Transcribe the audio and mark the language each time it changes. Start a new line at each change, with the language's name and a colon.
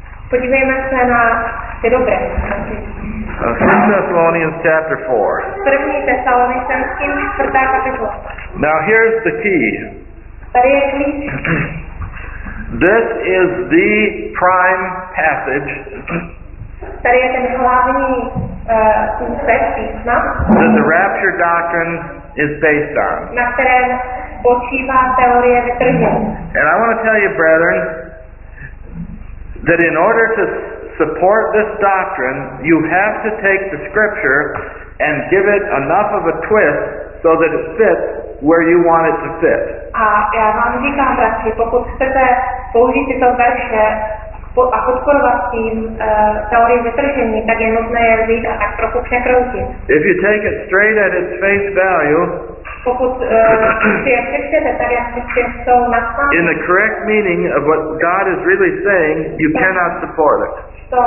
Czech: Podívejme se na ty dobré.
English: 1 Thessalonians chapter 4.
Czech: První Tesalonicenským 4. kapitola.
English: Now here's the key.
Czech: Tady je klíč.
English: This is the prime passage.
Czech: Tady je ten hlavní úsek písma.
English: That the rapture doctrine is based on.
Czech: Na kterém počívá teorie vytržení.
English: And I want to tell you, brethren, that in order to support this doctrine, you have to take the scripture and give it enough of a twist so that it fits where you want it to fit.
Czech: A já vám říkám, bratři, pokud chcete použít tyto verše a podporovat tím teorie vytržení, tak je nutné je vzít a tak trochu překroutit.
English: If you take it straight at its face value, in the correct meaning of what God is really saying, you cannot support it.